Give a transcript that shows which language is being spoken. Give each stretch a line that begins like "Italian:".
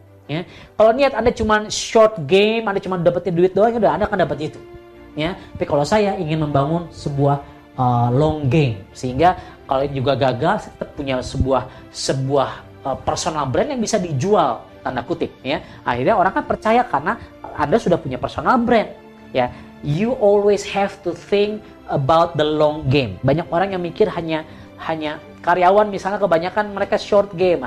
Indonesian: Ya. Kalau niat Anda cuma short game, Anda cuma dapetin duit doang, udah Anda akan dapat itu. Ya. Tapi kalau saya ingin membangun sebuah long game, sehingga kalau juga gagal, saya tetap punya sebuah personal brand yang bisa dijual, tanda kutip. Ya. Akhirnya orang kan percaya karena Anda sudah punya personal brand. Ya.
English: You always have to think about the long game.
Indonesian: Banyak orang yang mikir hanya karyawan misalnya, kebanyakan mereka short game.